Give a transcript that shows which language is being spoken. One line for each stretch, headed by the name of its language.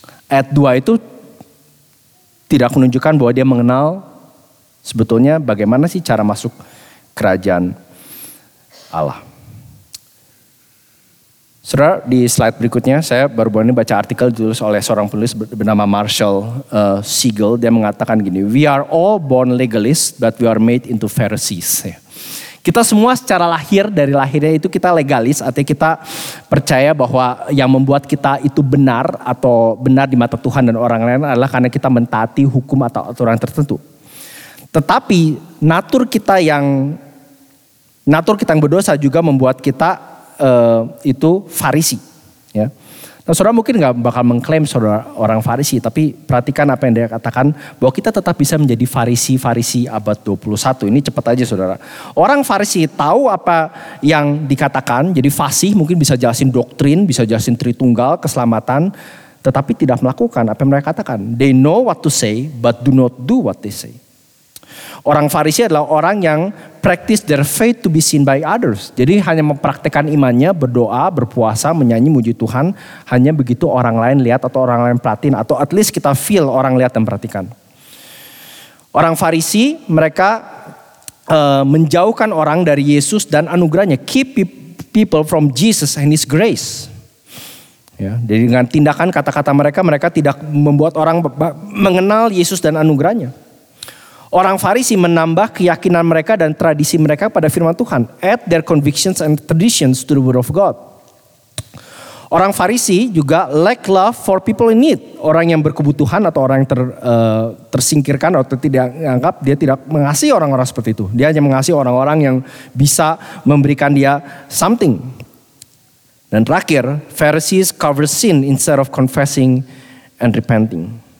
Indonesian: Ayat 2 itu tidak menunjukkan bahwa dia mengenal sebetulnya bagaimana sih cara masuk kerajaan Allah. Saudara, di slide berikutnya saya baru-baru ini baca artikel ditulis oleh seorang penulis bernama Marshall Siegel. Dia mengatakan gini,
English: we are all born legalists but we are made into Pharisees.
Indonesian: Kita semua secara lahir, dari lahirnya itu kita legalis, artinya kita percaya bahwa yang membuat kita itu benar atau benar di mata Tuhan dan orang lain adalah karena kita mentaati hukum atau aturan tertentu. Tetapi natur kita yang berdosa juga membuat kita itu Farisi. Ya. Nah, saudara mungkin gak bakal mengklaim saudara orang Farisi, tapi perhatikan apa yang dia katakan, bahwa kita tetap bisa menjadi Farisi-Farisi abad 21. Ini cepat aja saudara. Orang Farisi tahu apa yang dikatakan, jadi fasih mungkin bisa jelasin doktrin, bisa jelasin Tritunggal, keselamatan, tetapi tidak melakukan apa yang mereka katakan.
English: They know what to say, but do not do what they say.
Indonesian: Orang Farisi adalah orang yang
English: practice their faith to be seen by others.
Indonesian: Jadi hanya mempraktikkan imannya, berdoa, berpuasa, menyanyi, muji Tuhan. Hanya begitu orang lain lihat atau orang lain perhatiin. Atau
English: at least
Indonesian: kita feel orang lihat dan perhatikan. Orang Farisi, mereka menjauhkan orang dari Yesus dan anugerahnya.
English: Keep people from Jesus and his grace.
Indonesian: Ya, jadi dengan tindakan kata-kata mereka, mereka tidak membuat orang mengenal Yesus dan anugerahnya. Orang Farisi menambah keyakinan mereka dan tradisi mereka pada firman Tuhan.
English: Add their convictions and traditions to the word of God.
Indonesian: Orang Farisi juga
English: lack love for people in need.
Indonesian: Orang yang berkebutuhan atau orang yang tersingkirkan atau tidak dianggap, dia tidak mengasihi orang-orang seperti itu. Dia hanya mengasihi orang-orang yang bisa memberikan dia something. Dan terakhir,
English: Pharisees cover sin instead of confessing and repenting.